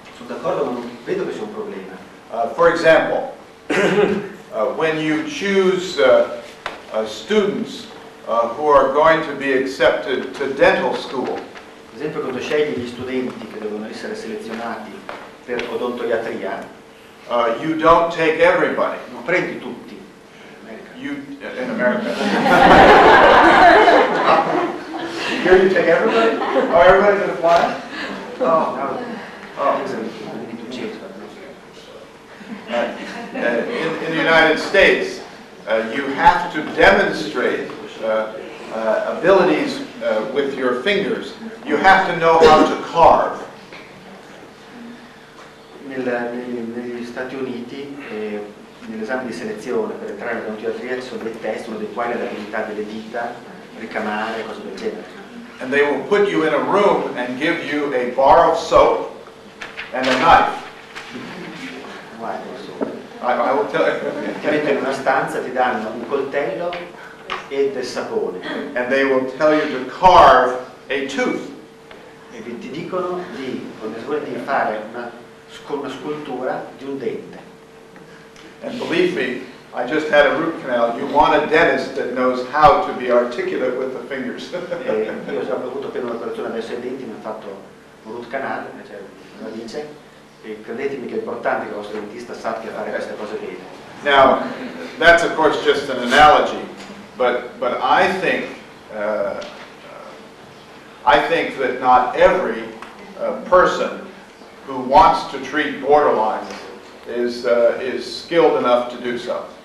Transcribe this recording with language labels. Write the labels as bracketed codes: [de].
[it] Sono d'accordo, ma non vedo che sia un problema. [en] For example, when you choose students who are going to be accepted to dental school. [it] Per esempio, quando scegli gli studenti che devono essere selezionati per odontoiatria, [en] you don't take everybody. [it] Non prendi tutti. [en] In America. Here you take everybody? Oh, everybody can apply? Oh, in the United States, you have to demonstrate abilities with your fingers. You have to know how to carve. [it] Negli Stati Uniti, nell'esame di selezione per entrare in odontoiatria ci sono dei test, uno dei quali è l'abilità delle dita, ricamare, cose del genere. [en] and they will put you in a room and give you a bar of soap and a knife. I will tell you. [it] Ti mettono in una stanza, ti danno un coltello e del sapone. [en] And they will tell you to carve a tooth. [it] E ti dicono di fare una scultura di un dente. [en] And believe me, I just had a root canal. You want a dentist that knows how to be articulate with the fingers. [it] Io ho avuto appena un'operazione adesso ai denti, mi ha fatto un root canal, cioè una dice. E credetemi che è importante che il vostro dentista sappia fare queste cose bene. [en] Now, that's of course just an analogy, but I think that not every person who wants to treat borderline is skilled enough to do so.